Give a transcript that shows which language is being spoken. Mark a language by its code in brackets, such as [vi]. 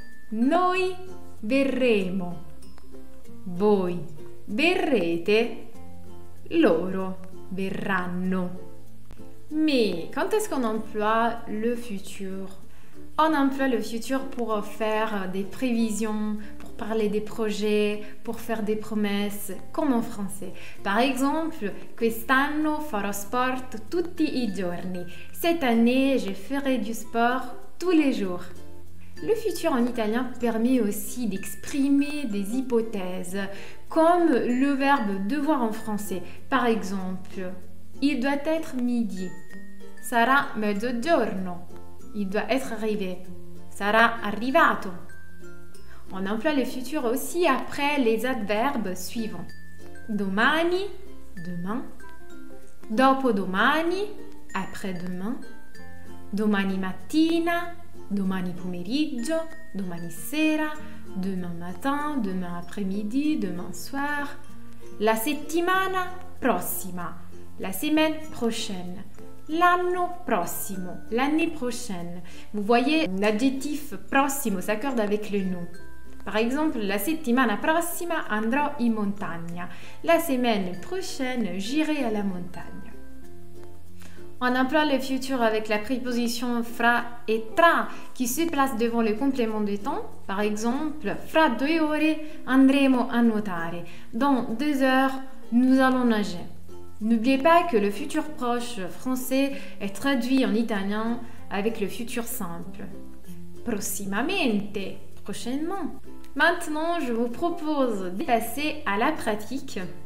[it] Noi berremo. Voi berrete. Loro berranno. [fr] Mais quand est-ce qu'on emploie le futur? On emploie le futur pour faire des prévisions, pour parler des projets, pour faire des promesses, comme en français. Par exemple, [it] quest'anno farò sport tutti i giorni. [fr] Cette année, je ferai du sport tous les jours. Le futur en italien permet aussi d'exprimer des hypothèses, comme le verbe devoir en français. Par exemple, il doit être midi. [it] Sarà mezzogiorno. [fr] Il doit être arrivé. [it] Sarà arrivato. [fr] On emploie le futur aussi après les adverbes suivants. [it] Domani, [fr] demain. [it] Dopodomani, [fr] après-demain. [it] Domani mattina, domani pomeriggio, domani sera, [fr] demain matin, demain après-midi, demain soir. [it] La settimana prossima, [fr] la semaine prochaine. [it] L'anno prossimo, [fr] l'année prochaine. Vous voyez, l'adjectif prossimo s'accorde avec le nom. Par exemple, [it] la settimana prossima andrò in montagna. [fr] La semaine prochaine, j'irai à la montagne. On emploie le futur avec la préposition fra et tra qui se place devant le complément de temps. Par exemple, [it] fra due ore andremo a nuotare. [fr] Dans deux heures, nous allons nager. N'oubliez pas que le futur proche français est traduit en italien avec le futur simple. [it] Prossimamente, [fr] prochainement. Maintenant, je vous propose de passer à la pratique.